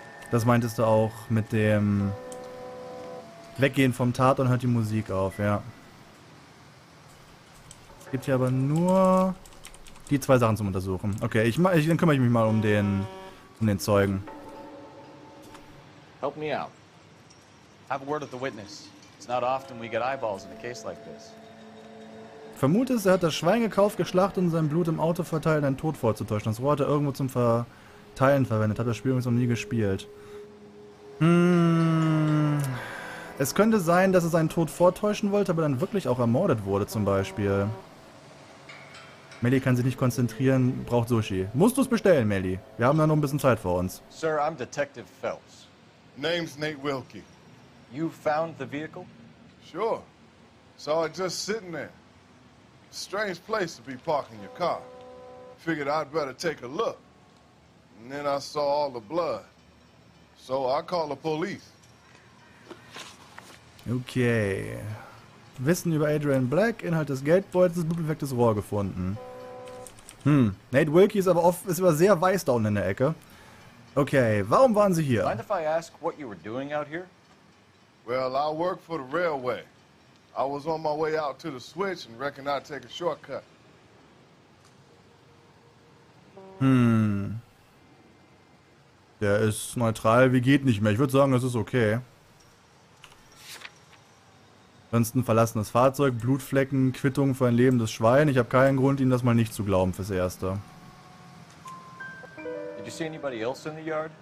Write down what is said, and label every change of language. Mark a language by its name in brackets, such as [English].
[German] Das meintest du auch mit dem Weggehen vom Tatort und hört die Musik auf, ja. Es gibt hier aber nur die zwei Sachen zum Untersuchen. Okay, dann kümmere ich mich mal um den Zeugen. [English] Help me out. Have a word with the witness. It's not often we get eyeballs in a case like this. [German] Vermute es, er hat das Schwein gekauft, geschlachtet und sein Blut im Auto verteilt, um einen Tod vorzutäuschen. Das Rohr hat er irgendwo zum Verteilen verwendet. Hat das Spiel übrigens noch nie gespielt. Es könnte sein, dass er seinen Tod vortäuschen wollte, aber dann wirklich auch ermordet wurde, zum Beispiel. Melly kann sich nicht konzentrieren, braucht Sushi. Musst du es bestellen, Melly. Wir haben da noch ein bisschen Zeit vor uns. [English] Sir, I'm Detective Phelps. Name's Nate Wilkie. You found the vehicle? Sure. Saw it just sitting there. Strange place to be parking your car. Figured I'd better take a look. And then I saw all the blood. So I called the police. Okay. [German] Wissen über Adrian Black, Inhalt des Geldbeutels, blutbeflecktes Rohr gefunden. Nate Wilkie ist aber sehr weiß da unten in der Ecke. Okay, warum waren Sie hier? [English] Mind if I ask what you were doing out here? Well, I work for the railway. I was on my way out to the switch and reckon I'd take a shortcut. [German] Der ist neutral, wie geht nicht mehr. Ich würde sagen, es ist okay. Ansonsten verlassenes Fahrzeug, Blutflecken, Quittung für ein lebendes Schwein. Ich habe keinen Grund, Ihnen das mal nicht zu glauben fürs Erste. [English] Did you see anybody else in the yard?